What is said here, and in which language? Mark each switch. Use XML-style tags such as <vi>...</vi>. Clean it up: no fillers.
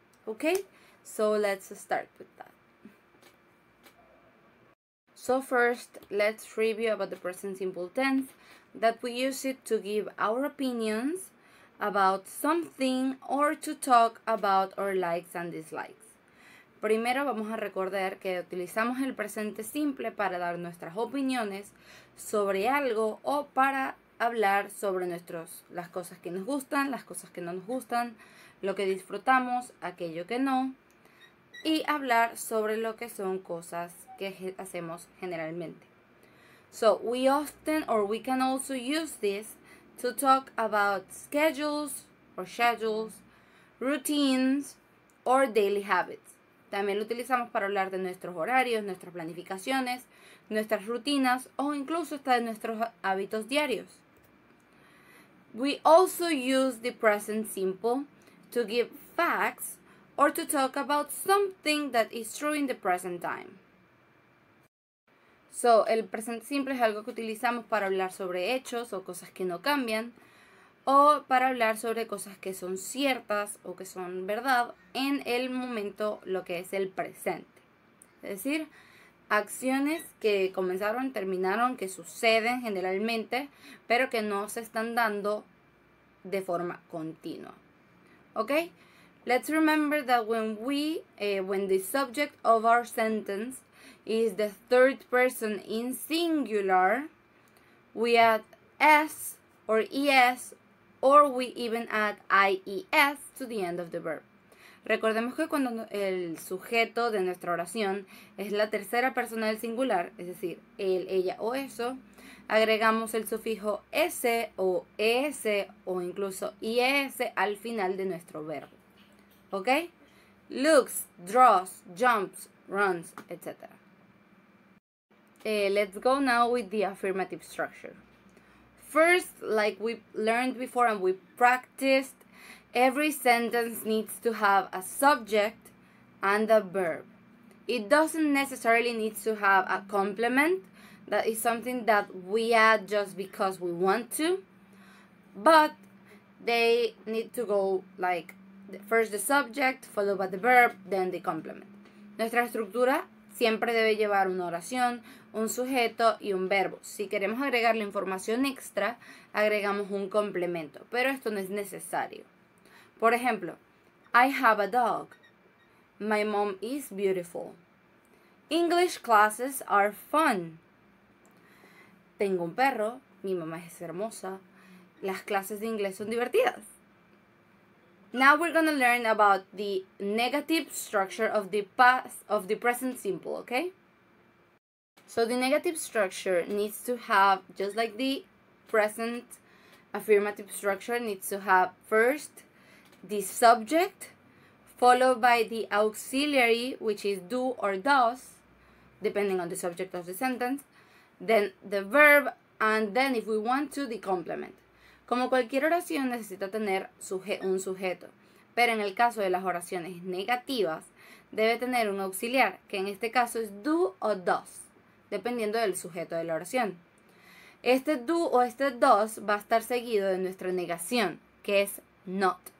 <en>Okay, so let's start with that. So first, let's review about the present simple tense, that we use it to give our opinions about something or to talk about our likes and dislikes.</en> <es>Primero vamos a recordar que utilizamos el presente simple para dar nuestras opiniones sobre algo o para hablar sobre las cosas que nos gustan, las cosas que no nos gustan, lo que disfrutamos, aquello que no, y hablar sobre lo que son cosas que hacemos generalmente.</es> <en>So, we often or we can also use this to talk about schedules, routines, or daily habits.</en> <es>También lo utilizamos para hablar de nuestros horarios, nuestras planificaciones, nuestras rutinas o incluso hasta de nuestros hábitos diarios.</es> <en>We also use the present simple to give facts or to talk about something that is true in the present time.</en> <es>So, el presente simple es algo que utilizamos para hablar sobre hechos o cosas que no cambian, o para hablar sobre cosas que son ciertas o que son verdad en el momento, lo que es el presente. Es decir, acciones que comenzaron, terminaron, que suceden generalmente, pero que no se están dando de forma continua. ¿Ok?</es> <en>Let's remember that when the subject of our sentence is the third person in singular, we add s or es, or we even add ies to the end of the verb.</en> <es>Recordemos que cuando el sujeto de nuestra oración es la tercera persona del singular, es decir, él, ella o eso, agregamos el sufijo s o es o incluso ies al final de nuestro verbo.</es> <en>¿Ok? Looks, draws, jumps, runs, etc. Let's go now with the affirmative structure. First, like we learned before and we practiced, every sentence needs to have a subject and a verb. It doesn't necessarily need to have a complement. That is something that we add just because we want to. But they need to go like first the subject, followed by the verb, then the complement.</en> <es>Nuestra estructura siempre debe llevar una oración, un sujeto y un verbo. Si queremos agregar la información extra, agregamos un complemento. Pero esto no es necesario. Por ejemplo,</es> <en>I have a dog. My mom is beautiful. English classes are fun.</en> <es>Tengo un perro. Mi mamá es hermosa. Las clases de inglés son divertidas.</es> <en>Now we're going to learn about the negative structure of the past of the present simple, okay? So the negative structure needs to have, just like the present affirmative structure, needs to have first the subject, followed by the auxiliary, which is do or does, depending on the subject of the sentence, then the verb, and then, if we want to, the complement.</en> <es>Como cualquier oración, necesita tener un sujeto, pero en el caso de las oraciones negativas, debe tener un auxiliar, que en este caso es do o does, dependiendo del sujeto de la oración. Este do o este does va a estar seguido de nuestra negación, que es not.</es>